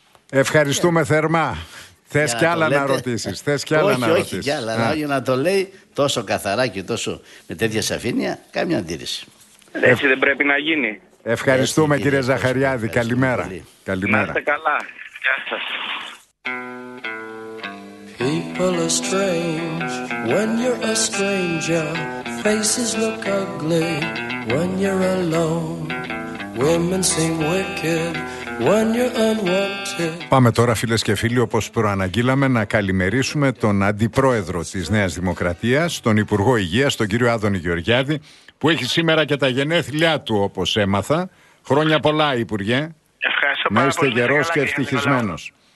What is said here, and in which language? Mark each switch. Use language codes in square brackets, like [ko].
[el] Ευχαριστούμε θερμά. Θες κι άλλα να ρωτήσεις? Όχι, κι άλλα. Για να το λέει τόσο καθαρά και τόσο με τέτοια σαφήνεια, κάμια αντίρρηση. Έτσι δεν πρέπει να γίνει. Ευχαριστούμε, κύριε Ζαχαριάδη. Καλημέρα. Καλημέρα. Να είστε καλά. Γεια σας. [en] People are strange when you're a stranger. Faces look ugly when you're alone. Women seem wicked when you're unwanted. [el] Πάμε τώρα, φίλες και φίλοι, όπως προαναγγείλαμε, να καλημερίσουμε τον αντιπρόεδρο της Νέας Δημοκρατίας, τον Υπουργό Υγείας, τον κύριο Άδωνη Γεωργιάδη, που έχει σήμερα και τα γενέθλιά του, όπως έμαθα. Χρόνια πολλά, Υπουργέ. Ευχαριστώ πάρα πολύ. Να είστε γερός και ευτυχισμένος.